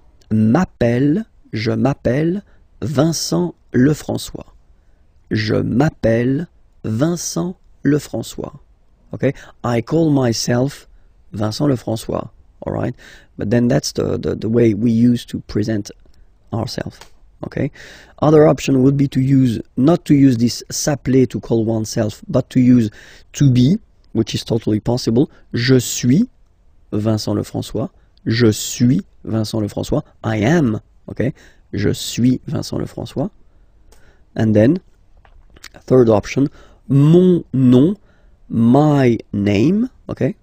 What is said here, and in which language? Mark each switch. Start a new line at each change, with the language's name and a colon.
French: Je m'appelle Vincent Lefrançois. Je m'appelle Vincent Lefrançois.
English: Okay, I call myself Vincent Lefrançois, all right? But then that's the way we use to present ourselves, okay? Other option would be to use, not to use this s'appeler to call oneself, but to use to be, which is totally possible.
French: Je suis Vincent Lefrançois. Je suis Vincent Lefrançois.
English: I am, okay?
French: Je suis
English: Vincent Lefrançois. And then, third option,
French: mon nom,
English: my name, okay?